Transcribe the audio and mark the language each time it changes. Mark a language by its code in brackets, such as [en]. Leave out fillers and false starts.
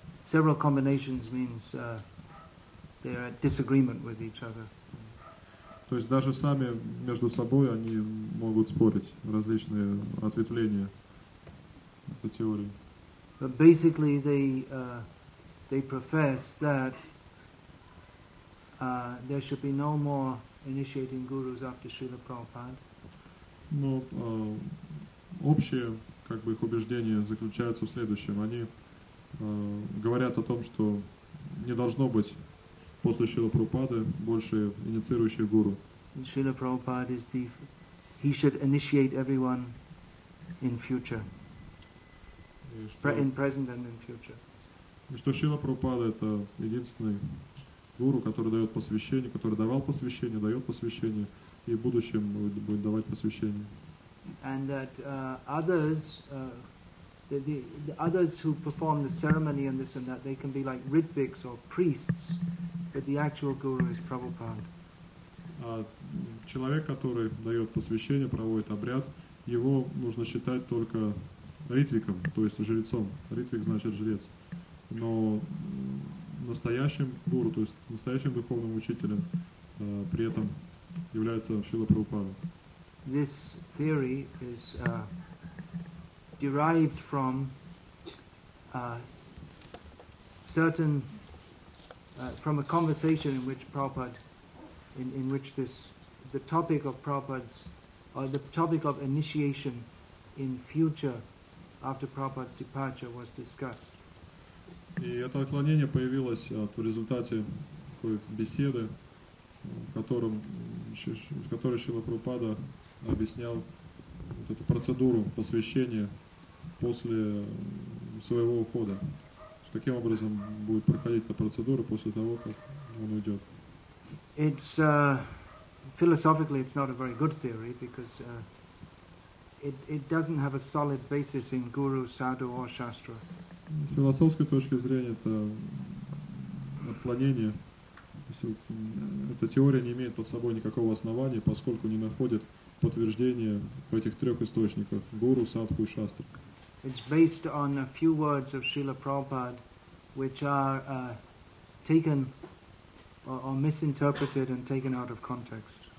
[en] Several combinations means they're at disagreement with each other. [ru] То есть даже сами между собой они могут спорить различные ответвления этой теории. [en] But basically they profess that there should be no more initiating gurus after Srila Prabhupada. [ru] Но общее как бы их убеждение заключается в следующем. Они говорят о том, что не должно быть после Шрилы Прабхупады больше инициирующих гуру. [en] Srila Prabhupada is the he should initiate everyone in future. In present and in future. [ru] Что Шрила Прабхупада это единственный гуру, который дает посвящение, который давал посвящение, дает посвящение и в будущем будет давать посвящение. [en] And that others who perform the ceremony and this and that, they can be like Ritviks or priests, but the actual guru is Prabhupada. [ru] А человек, который дает посвящение, проводит обряд, его нужно считать только ритвиком, то есть жрецом. Ритвик значит жрец. Но настоящим гуру, то есть настоящим духовным учителем, при этом является Шрила Прабхупада. [en] This theory is derived from certain from a conversation in which Prabhupada in which this the topic of Prabhupada's or the topic of initiation in future after Prabhupada's departure was discussed. [ru] И это отклонение появилось в результате такой беседы, в которой Шрила Прабхупада объяснял вот эту процедуру посвящения после своего ухода. Каким образом будет проходить эта процедура после того, как он уйдет. [en] It's philosophically it's not a very good theory because it doesn't have a solid basis in guru, sadhu or shastra. [ru] С философской точки зрения это отклонение. Эта теория не имеет под собой никакого основания, поскольку не находит подтверждения в этих трех источниках гуру, садху и шастра. [en] It's based on a few words of Srila Prabhupada, which are taken or misinterpreted and taken out of context.